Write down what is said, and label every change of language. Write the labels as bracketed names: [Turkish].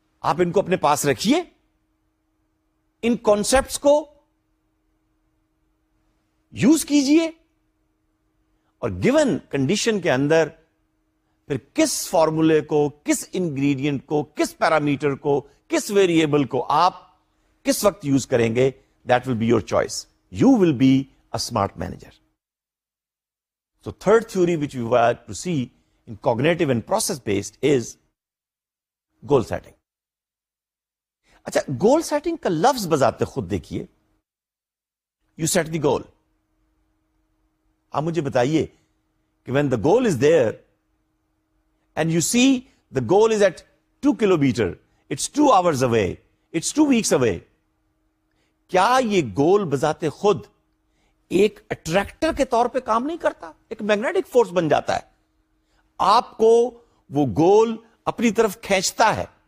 [Urdu] آپ ان کو اپنے پاس رکھیے, ان کانسیپٹس کو یوز کیجئے اور گیون کنڈیشن کے اندر پھر کس فارمولے کو کس انگریڈینٹ کو کس پیرامیٹر کو کس ویریبل کو آپ کس وقت یوز کریں گے, [English] That will be your choice. You will be a smart manager. So third theory which we were to see in cognitive and process based is goal setting. [Urdu] اچھا گول سیٹنگ کا لفظ بذات خود دیکھیے, [English] You set the goal. [Urdu] آپ مجھے بتائیے کہ [English] when the goal is there and you see the goal is at 2 kilometers, [Urdu] it's 2 hours away, it's 2 weeks اوے, کیا یہ گول بذات خود ایک اٹریکٹر کے طور پہ کام نہیں کرتا, ایک میگنیٹک فورس بن جاتا ہے, آپ کو وہ گول اپنی طرف کھینچتا ہے.